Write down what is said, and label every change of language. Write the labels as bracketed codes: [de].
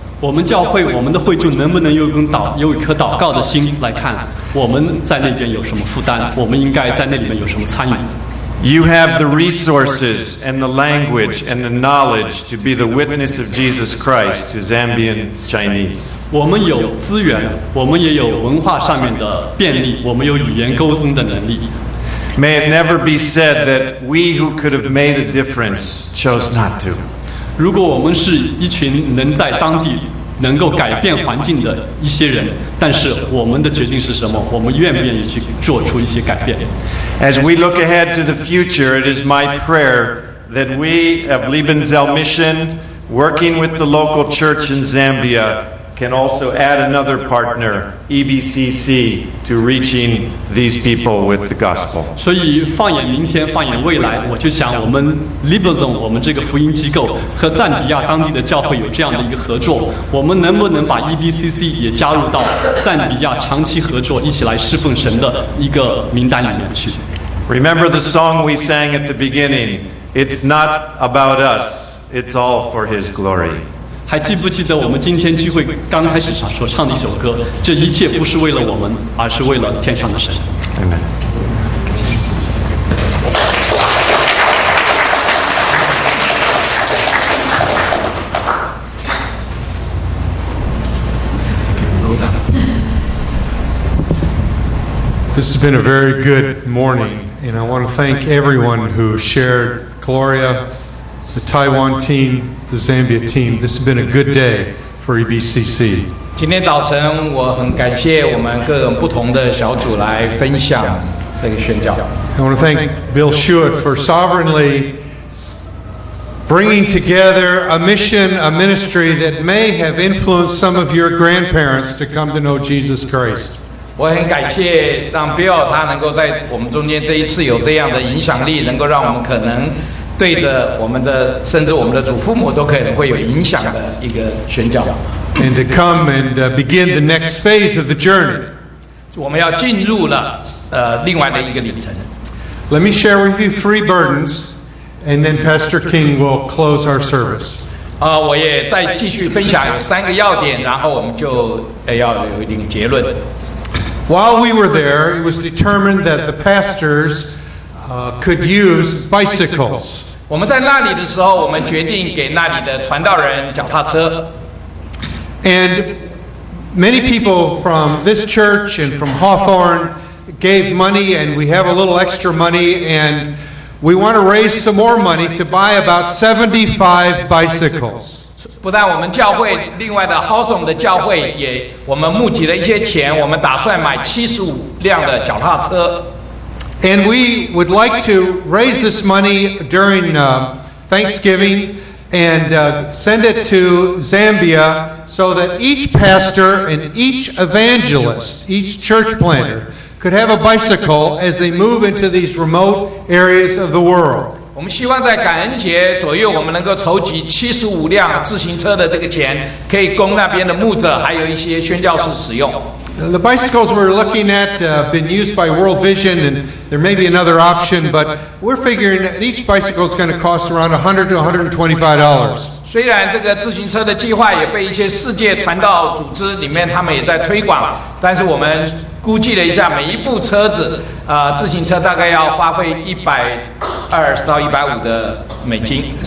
[zh] 我们教会，我们的会众能不能有一颗祷告的心来看，我们在那边有什么负担，我们应该在那里面有什么参与。 [en] You have the resources and the language and the knowledge to be the witness of Jesus Christ to Zambian Chinese. [zh] 我们有资源，我们也有文化上面的便利，我们有语言沟通的能力。 [en] May it never be said that we who could have made a difference chose not to. [zh] 如果我们是一群能在当地能够改变环境的一些人，但是我们的决定是什么？我们愿不愿意去做出一些改变？ [en] As we look ahead to the future, it is my prayer that we of Liebenzell Mission, working with the local church in Zambia, can also add another partner, EBCC, to reaching these people with the gospel. [zh] 所以放眼明天，放眼未来，我就想我们 Liebenzell 我们这个福音机构和赞比亚当地的教会有这样的一个合作，我们能不能把 EBCC 也加入到赞比亚长期合作，一起来侍奉神的一个名单里面去？ [en] Remember the song we sang at the beginning. It's not about us. It's all for His glory. [zh] 还记不记得我们今天聚会刚开始所唱的一首歌？这一切不是为了我们，而是为了天上的神。 [en] Amen. This has been a very good morning, and I want to thank everyone who shared Gloria, the Taiwan team. The Zambia team. This has been a good day for EBCC. [zh] 今天早晨，我很感谢我们各种不同的小组来分享这个宣教。 [en] I want to thank Bill Schuett for sovereignly bringing together a mission, a ministry that may have influenced some of your grandparents to come to know Jesus Christ. [zh] 我很感谢让 Bill 他能够在我们中间这一次有这样的影响力，能够让我们可能。对着我们的，甚至我们的祖父母都可能会有影响的一个宣教。 [en] And to come and begin the next phase of the journey. [zh] 我们要进入了另外的一个里程。 [en] Let me share with you three burdens, and then Pastor King will close our service. [zh] 我也再继续分享有三个要点，然后我们就要有一定结论。 [en] While we were there, it was determined that the pastors. Could use bicycles. [zh] 我们在那里的时候，我们决定给那里的传道人脚踏车。 [en] And many people from this church and from Hawthorne gave money, and we have a little extra money, and we want to raise some more money to buy about 75 bicycles. [zh] 不但我们教会，另外的 Hawthorne 的教会也，我们募集了一些钱，我们打算买75辆的脚踏车。 [en] And we would like to raise this money during Thanksgiving and send it to Zambia so that each pastor and each evangelist, each church planter, could have a bicycle as they move into these remote areas of the world. [zh] 我们希望在感恩节左右，我们能够筹集75辆自行车的这个钱，可以供那边的牧者还有一些宣教士使用。 [en] The bicycles we're looking at have been used by World Vision, and there may be another option, but we're figuring that each bicycle is going to cost around $100 to $125.